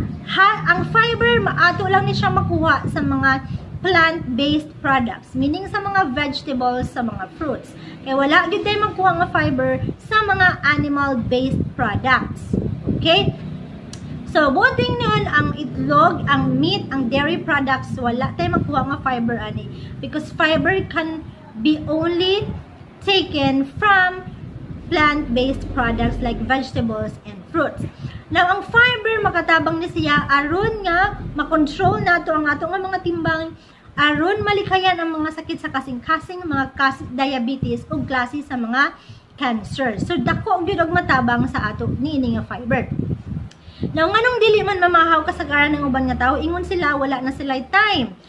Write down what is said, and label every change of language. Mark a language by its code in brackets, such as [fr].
[ceb] Ha, ang fiber, maato lang ni siya makuha sa mga plant-based products. Meaning sa mga vegetables, sa mga fruits. Kaya wala gyud tayo magkuha ng fiber sa mga animal-based products. Okay? So, buting nun, ang itlog, ang meat, ang dairy products, wala tayo magkuha ng fiber ani. [en] Because fiber can be only taken from plant-based products like vegetables and fruits. [ceb] Now, ang fiber, makatabang ni siya aron nga makontrol na ito ang ato nga mga timbang, aron malikayan ang mga sakit sa kasing-kasing, mga diabetes o klase sa mga cancer. So, dako ang yun matabang sa ato ni nga fiber. Now, nganong dili man mamahaw kasagaran ng uban nga tao, ingon sila, wala na sila time.